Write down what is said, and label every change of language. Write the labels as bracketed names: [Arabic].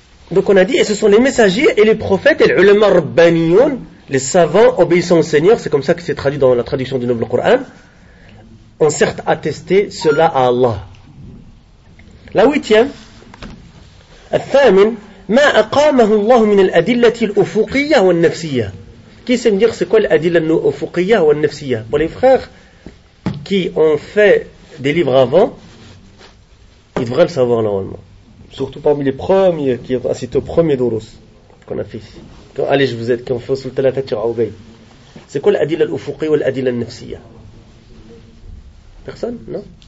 [French] Donc on a dit, et ce sont les messagers et les prophètes, et les ulama rabbaniyun, les savants obéissant au Seigneur, c'est comme ça que c'est traduit dans la traduction du Noble Coran, ont certes attesté cela à Allah. La huitième, [Arabic] الثامن, ما أقامه الله من الأدلة الأفقية والنفسية. [French] Qui sait me dire c'est quoi l'adilla al-ufuqiyya wa al-nafsiyya? Pour les frères qui ont fait des livres avant, ils devraient le savoir normalement. Surtout parmi les premiers qui ont assisté au premier durus qu'on a fait ici. Allez, je vous aide, qui ont fait sur le talata tira'oubay. C'est quoi l'adilla al-ufuqiyya wa l'adilla al-nafsiyya? Personne? Non?